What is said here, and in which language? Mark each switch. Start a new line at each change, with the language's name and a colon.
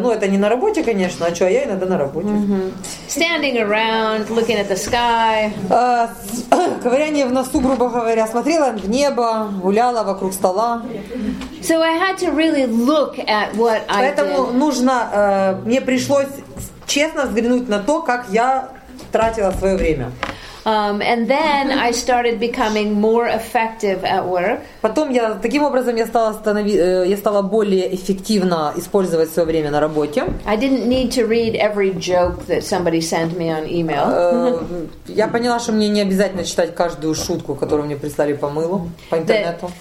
Russian: Ну, это не на работе, конечно, а что, а я иногда на работе.
English: Standing around, looking at the sky.
Russian: Ковыряние в носу, грубо говоря. Смотрела в небо, гуляла вокруг стола.
English: So I had to really look at what I did.
Russian: Поэтому нужно, мне пришлось честно взглянуть на то, как я тратила свое время.
English: And then I started becoming more effective at work.
Russian: Потом я таким образом я стала более эффективно использовать свое время на работе.
English: I didn't need to read every joke that somebody sent me on email.
Russian: Я поняла, что мне не обязательно читать каждую шутку, которую мне прислали по мылу по интернету.